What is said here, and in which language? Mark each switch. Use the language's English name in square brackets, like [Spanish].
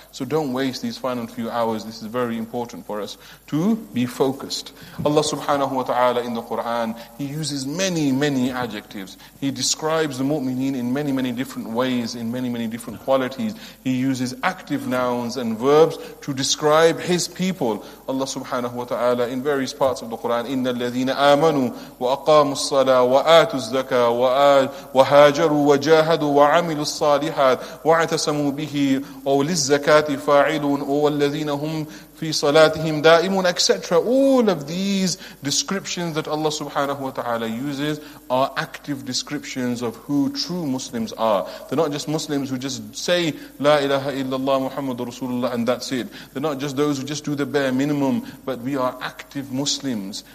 [English] So don't waste these final few hours. This is very important for us to be focused. Allah subhanahu wa ta'ala in the Quran, He uses many, many adjectives. He describes the mu'mineen in many, many different ways, in many, many different qualities. He uses active nouns and verbs to describe His people. [Arabic] Allah subhanahu wa ta'ala [English] in various parts of the Quran, [Arabic] إِنَّ الَّذِينَ آمَنُوا وَأَقَامُوا الصَّلَاةِ وَآتُوا الزَّكَاةَ وَهَاجَرُوا وَجَاهَدُوا وَعَمِلُوا الصَّالِحَاتِ وَاعْتَصَمُوا بِهِ أَوْ لِلزَّكَاةِ فَاعِلُونَ أَوْ الَّذِينَ هُمْ fi salatihim da'imun, etc. [English] All of these descriptions that Allah subhanahu wa ta'ala uses are active descriptions of who true Muslims are. They're not just Muslims who just say La ilaha illallah Muhammadur Rasulullah and that's it. They're not just those who just do the bare minimum, but we are active Muslims.